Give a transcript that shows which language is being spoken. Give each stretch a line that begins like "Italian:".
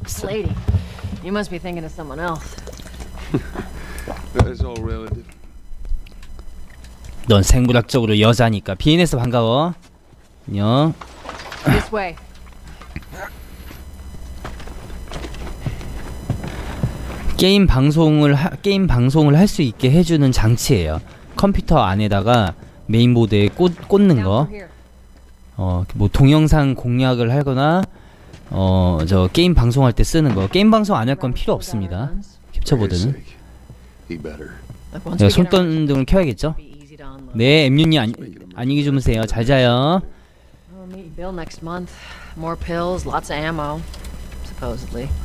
English: Lady, you must be thinking of someone else. That is all relative.
Korean: 넌 생물학적으로 여자니까. 비엔에서 반가워. 안녕.
English: This way.
Korean: 게임 방송을 할 수 있게 해주는 장치예요. 컴퓨터 안에다가 메인보드에 꽂는 거. 뭐 동영상 공략을 하거나 저 게임 방송할 때 쓰는 거. 게임 방송 안 할 건 필요 없습니다. 캡처보드는. 내가 손등을 켜야겠죠? 네, 엠윤이 안녕히 주무세요. 잘 자요.
English: We'll meet Bill next month. More pills, lots of ammo, supposedly.